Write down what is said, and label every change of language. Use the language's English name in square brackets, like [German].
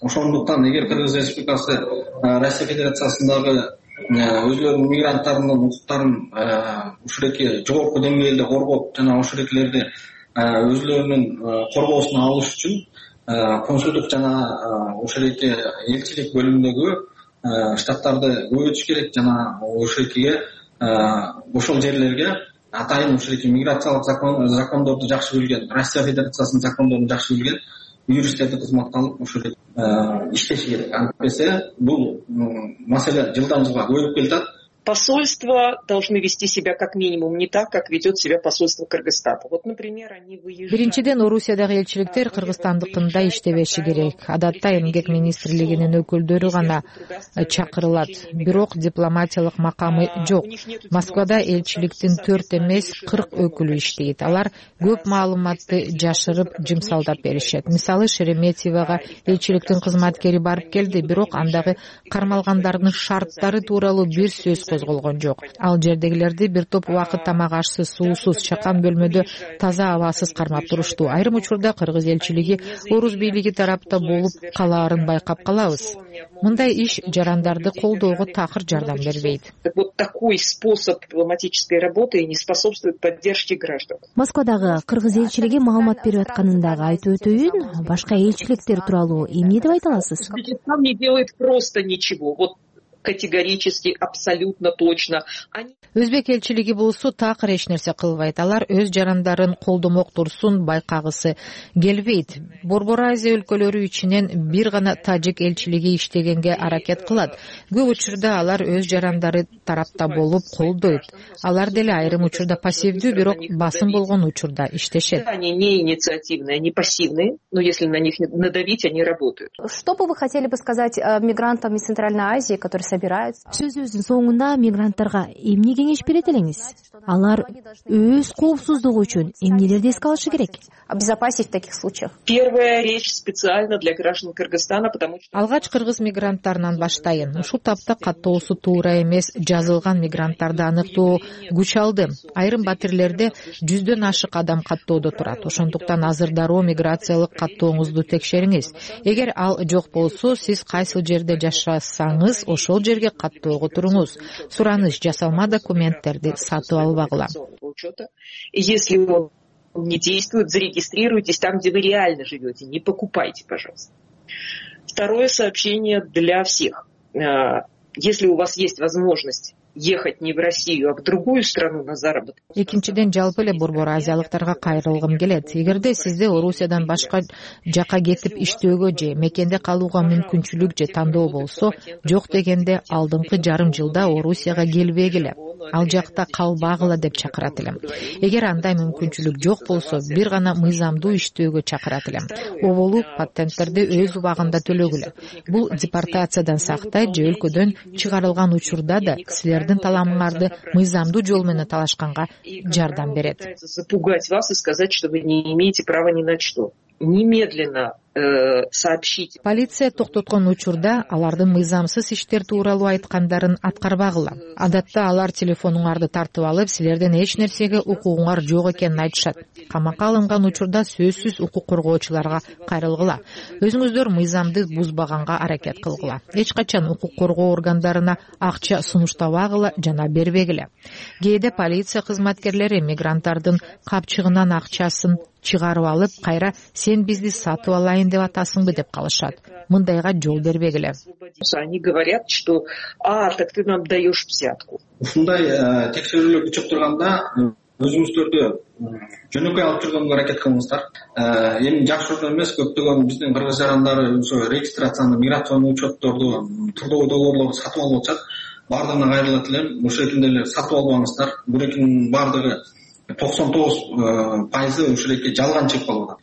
[Kyrgyz] Ошондуктан эгер Кыргыз Республикасы Россия Федерациясындагы өзлөрүнүн мигранттарынын укуктарын ушул эки жогорку деңгээлде коргоп жана ушул экилерди өзлөрүнүн коргоосуна алыш үчүн консулдук жана ушул эки элчилик бөлүмүндөгү штаттарды көбөйтүш керек жана ушул экиге ошол жерлерге атайын ушул эки миграциялык закондорду жакшы билген, Россия Федерациясынын закондорун жакшы билген юристтерди кызматка алып ушул иштеши керек. Антпесе бул маселе жылдан жылга көбөйүп келатат. [Russian] Посольство должны вести себя как минимум не так, как ведет себя посольство Кыргызстана. Вот, например, они выезжают. [Kyrgyz] Биринчиден Орусиядагы элчиликтер кыргызстандыкындай иштебеши керек. Адатта эмгек министрлигинин өкүлдөрү гана чакырылат. Бирок дипломатиялык макамы жок. Москвада элчиликтин 4 эмес 40 өкүлү иштейт. Алар көп маалыматты жашырып жымсалдап беришет. Мисалы, Шереметьевага элчиликтин кызматкери барып келди, бирок андагы кармалгандардын шарттары тууралуу бир сөз козголгон жок. Ал жердегилерди бир топ убакыт тамак ашсыз, суусуз, чакан бөлмөдө таза абасыз кармап турушту. Айрым учурда кыргыз элчилиги орус бийлиги тарапта болуп калаарын байкап калабыз. Мындай иш жарандарды колдоого такыр жардам бербейт. [Russian] Вот такой способ дипломатической работы не способствует поддержке граждан. [Kyrgyz] Москвадагы кыргыз элчилиги маалымат берип атканындагы айтып өтөйүн, башка элчиликтер тууралуу эмне деп айта аласыз? [Russian] Не делает просто ничего. Вот категорически, абсолютно точно. [Kyrgyz] Өзбек элчилиги болсо так эч нерсе кылбайт. Алар өз жарандарын колдомок турсун байкагысы келбейт. Борбор Азия өлкөлөрү ичинен бир гана тажик элчилиги иштегенге аракет кылат. Көп учурда алар өз жарандары тарапта болуп колдойт. Алар деле айрым учурда пассивдүү, бирок басым болгон учурда иштешет. [Russian] Они не инициативные, они пассивные, но если на них надавить, они работают. Что бы вы хотели бы сказать мигрантам из Центральной Азии, которые собираются? [Kyrgyz] Сөзүн соңунда мигранттарга эмне кеңеш берет элеңиз? Алар өз коопсуздугу үчүн эмнелерди эске алышы керек? [Russian] Обезопасить в таких случаях. Первая речь специально для граждан Кыргызстана, потому что... [Kyrgyz] Алгач кыргыз мигранттарынан баштайын. Ушул тапта каттоосу туура эмес жазылган мигранттарды аныктоо күч алды. Айрым батирлерде 100-ден ашык адам каттоодо турат. Ошондуктан азыр дароо миграциялык каттооңузду текшериңиз. Эгер ал жок болсо, сиз кайсыл жерде жашасаңыз, ошол жерге каттоого туруңуз. Сураныш жасалма документтерди сатып албагыла. [Russian] Если он не действует, зарегистрируйтесь там, где вы реально живете, не покупайте, пожалуйста. Второе сообщение для всех. Если у вас есть возможность ехать не в Россию, а в другую страну на заработок. [Kyrgyz] Экинчиден жалпы эле борбор азиялыктарга кайрылгым келет. Эгерде сизде Орусиядан башка жака кетип иштөөгө же мекенде калууга мүмкүнчүлүк же тандоо болсо, жок дегенде алдыңкы жарым жылда Орусияга келбегиле. Ал жакта калбагыла деп чакырат элем. Эгер андай мүмкүнчүлүк жок болсо, бир гана мыйзамдуу иштөөгө чакырат элем. Оболу патенттерди өз убагында төлөгүлө. Бул депортациядан сактайт же өлкөдөн чыгарылган учурда да силердин таламыңарды мыйзамдуу жол менен талашканга жардам берет. [Russian] Запугать вас и сказать, что вы не имеете права ни на что. Немедленно сообщить. [Kyrgyz] Полиция токтоткон учурда алардын мыйзамсыз иштер тууралуу айткандарын аткарбагыла. Адатта алар телефонуңарды тартып алып, силерден эч нерсеге укугуңар жок экенин айтышат. Камакка алынган учурда сөзсүз укук коргоочуларга кайрылгыла. Өзүңүздөр мыйзамды бузбаганга аракет кылгыла. Эч качан укук коргоо органдарына акча сунуштабагыла жана бербегиле. Кээде полиция кызматкерлери мигранттардын капчыгынан акчасын чыгарып алып, кайра сен бизди сатып алайын деп атасыңбы деп калышат. Мындайга жол бербегиле. [Russian] Они говорят, что так ты нам даешь взятку. [Kyrgyz] Ушундай текшерүүлөр күчөп турганда өзүңүздөрдү жөнөкөй алып жүргөнгө аракет кылыңыздар. Эми жакшы жолдо эмес, көптөгөн биздин кыргыз жарандары ошо регистрацияны, миграциянын учеттерди турдогу долларларды сатып алып атышат. Бардыгына кайрылат элем. Ушул экинде эле сатып албаңыздар. Бул экинин бардыгы 99% ушул эки жалган чыгып калып атат.